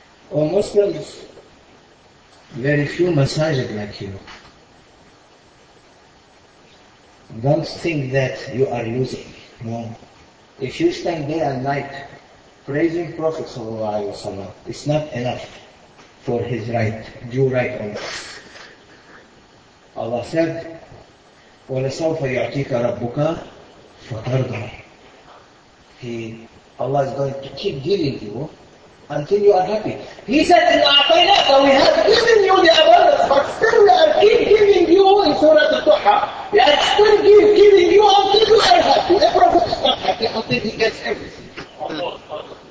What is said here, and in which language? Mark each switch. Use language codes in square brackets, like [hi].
[en] Oh Muslims, very few masajid like you. Don't think that you are losing. No. If you stand day and night praising Prophet sallallahu alayhi wa sallam, it's not enough for his right, due right on us. Allah said, [ar] وَلَسَوْفَ يُعْتِيكَ رَبُّكَ فَتَرْضَى. [en] Allah is going to keep giving you until you are happy. He said in أَعْطَيْنَاكَ, we have given you the abundance, but still we are keep giving you in Surah Al-Duha. We are still giving you until you are happy. The Prophet is not happy until he gets everything.